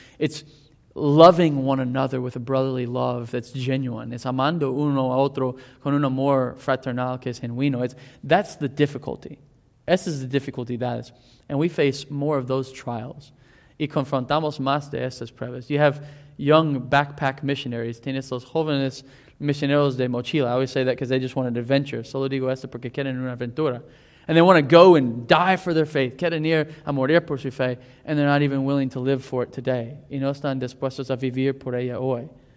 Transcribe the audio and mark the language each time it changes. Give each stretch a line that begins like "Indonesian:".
English: It's loving one another with a brotherly love that's genuine. It's
Spanish: amando uno a otro con un amor fraternal que es genuino.
English: That's the difficulty.
Spanish: Esa es la dificultad.
English: And we face more of those trials.
Spanish: Y confrontamos más de esas pruebas.
English: You have young backpack missionaries.
Spanish: Tienes los jóvenes misioneros de mochila.
English: I always say that because they just want an adventure.
Spanish: Solo digo esto porque quieren una aventura.
English: And they want to go and die for their faith.
Spanish: Quieren ir a morir por su fe.
English: And they're not even willing to live for it today.
Spanish: Y no están dispuestos a vivir por ella hoy.